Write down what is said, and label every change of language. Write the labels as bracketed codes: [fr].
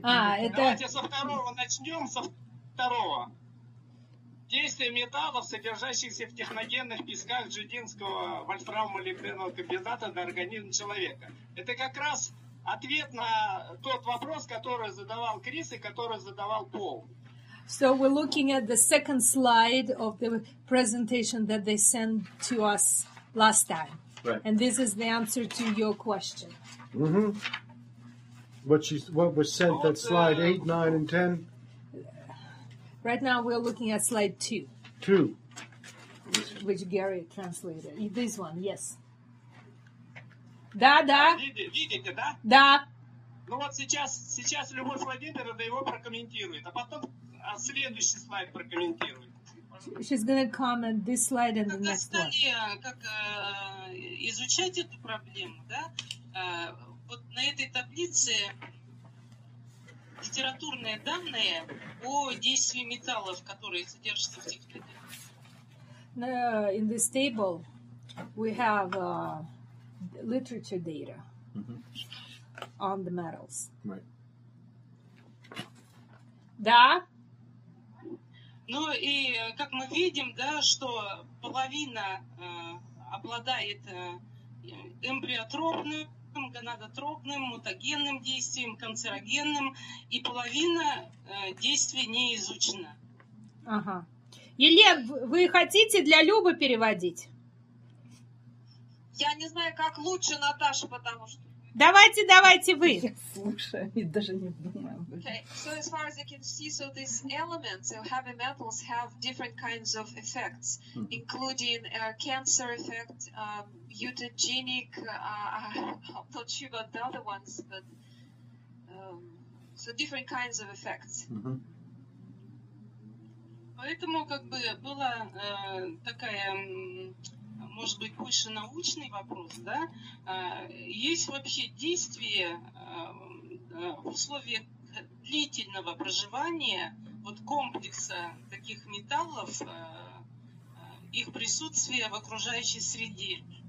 [ru] Давайте со второго начнем. Со второго. Действие металлов, содержащихся в техногенных песках жидинского вольфрамо-молибденового комбината на организм человека. Это как раз ответ на тот вопрос, который задавал Крис и который задавал Пол. [en] So we're looking at the second slide of the presentation that they sent to us last time. Right. And this is the answer to your question. Mm-hmm. What was sent, that slide 8, 9, and 10? Right now we're looking at slide 2. Two. Which Gary translated. This one, yes. [ru] Da, da. Видите, да? Da. Ну вот сейчас Любовь Владимировна его прокомментирует, а потом... А следующий слайд прокомментирует. [en] She's going to comment this slide and the next one. [ru] Как изучать эту проблему, да? Вот на этой таблице литературные данные о действии металлов, которые содержатся в технологии. [en] In this table we have literature data on the metals. Right. [ru] Да? Ну и как мы видим, да, что половина обладает эмбриотропным, гонадотропным, мутагенным действием, канцерогенным, и половина действия не изучена. Ага. Елен, вы хотите для Любы переводить? Я не знаю, как лучше, Наташа, потому что... Давайте вы. Я слушаю, даже не думаю. [en] Okay, so as far as I can see, so these elements, so heavy metals, have different kinds of effects, including cancer effect, mutagenic. I'm not sure about the other ones, but so different kinds of effects. [ru] Поэтому как бы была такая. Может быть, больше научный вопрос, да? Есть вообще действие в условиях длительного проживания вот комплекса таких металлов, их присутствие в окружающей среде?